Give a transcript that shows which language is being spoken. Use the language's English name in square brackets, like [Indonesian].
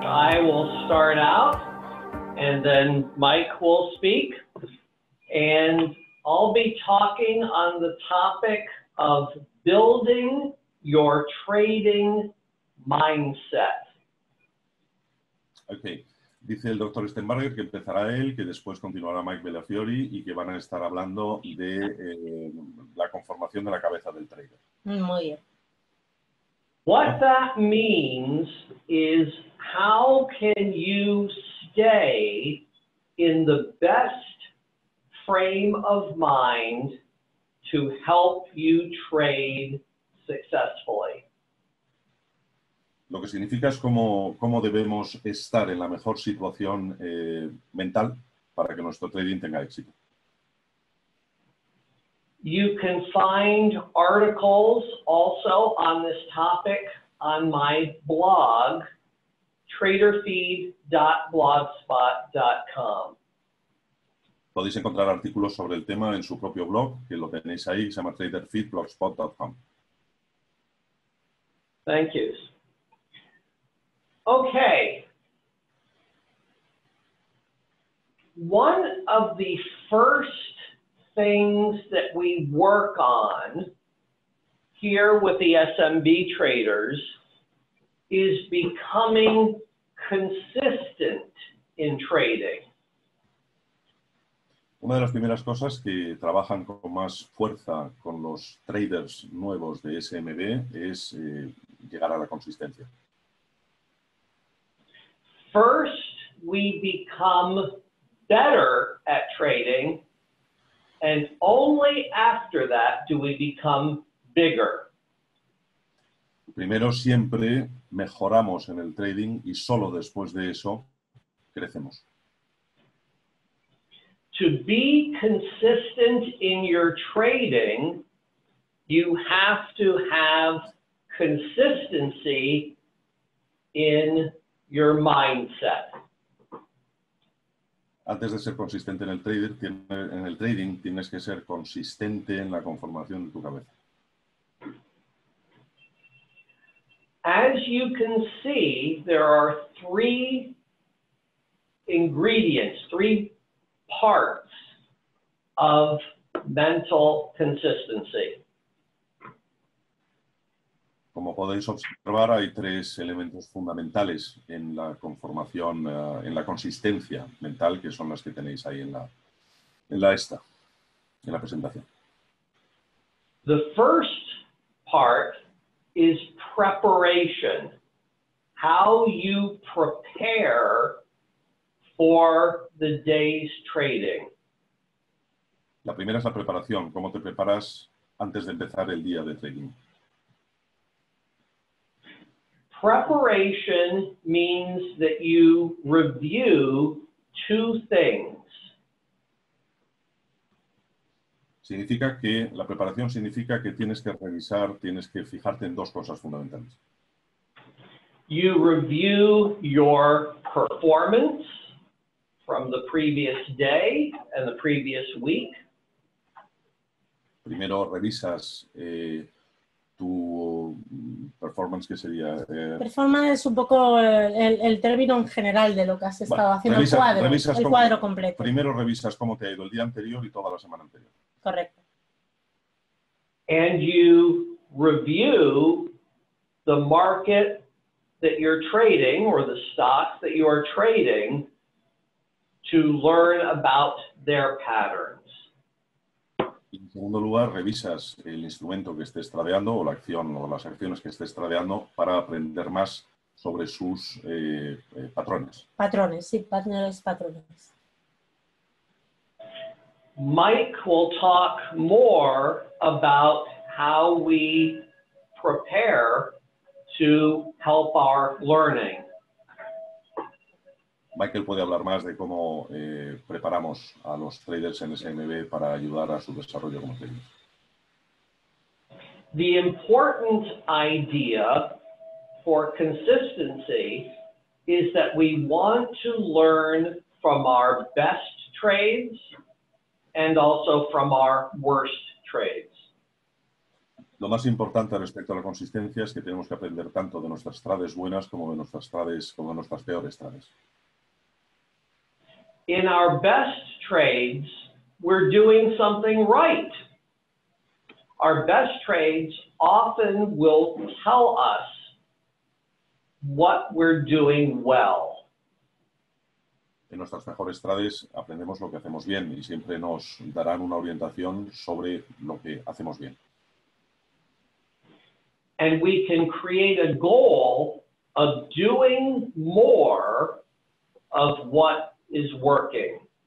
[English] I will start out, and then Mike will speak. And I'll be talking on the topic of building your trading mindset. [Spanish] Okay. Dice el Dr. Stenbarger que empezará él, que después continuará Mike Bellafiore y que van a estar hablando de la conformación de la cabeza del trader. Muy bien. [English] What that means is how can you stay in the best frame of mind to help you trade successfully? [Spanish] Lo que significa es cómo debemos estar en la mejor situación mental para que nuestro trading tenga éxito. [English] You can find articles also on this topic on my blog, traderfeed.blogspot.com. [Spanish] Podéis encontrar artículos sobre el tema en su propio blog, que lo tenéis ahí, se llama traderfeed.blogspot.com. [English] Thank you. Okay. One of the first things that we work on here with the SMB traders is becoming consistent in trading. [Spanish] Una de las primeras cosas que trabajan con más fuerza con los traders nuevos de SMB es llegar a la consistencia. [English] First, we become better at trading, and only after that do we become bigger. [Spanish] Primero siempre mejoramos en el trading y solo después de eso crecemos. [English] To be consistent in your trading, you have to have consistency in your mindset. [Spanish] Antes de ser consistente en el trading, tienes que ser consistente en la conformación de tu cabeza. [English] As you can see, there are three ingredients, three parts of mental consistency. [Spanish] Como podéis observar, hay tres elementos fundamentales en la conformación, en la consistencia mental, que son las que tenéis ahí en la presentación. [English] The first part is preparation, how you prepare for the day's trading. [Spanish] La primera es la preparación, cómo te preparas antes de empezar el día de trading. [English] Preparation means that you review two things. [Spanish] Significa que la preparación significa que tienes que revisar, tienes que fijarte en dos cosas fundamentales. [English] You review your performance from the previous day and the previous week. [Spanish] Primero revisas tu performance, que sería performance es un poco el término en general de lo que has estado haciendo, cuadro completo. Primero revisas cómo te ha ido el día anterior y toda la semana anterior. Correcto. [English] And you review the market that you're trading or the stocks that you are trading to learn about their patterns. [Spanish] En segundo lugar, revisas el instrumento que estés tradeando o la acción o las acciones que estés tradeando para aprender más sobre sus patrones. Patrones, sí, patrones. [English] Mike will talk more about how we prepare to help our learning. [Spanish] Michael puede hablar más de cómo preparamos a los traders en SMB para ayudar a su desarrollo como traders. [English] The important idea for consistency is that we want to learn from our best trades and also from our worst trades. [Spanish] Lo más importante respecto a la consistencia es que tenemos que aprender tanto de nuestras trades buenas como de nuestras trades, como de nuestras peores trades. [English] In our best trades, we're doing something right. Our best trades often will tell us what we're doing well. [Spanish] En nuestras mejores trades aprendemos lo que hacemos bien y siempre nos darán una orientación sobre lo que hacemos bien. [English] And we can create a goal of doing more of what is working.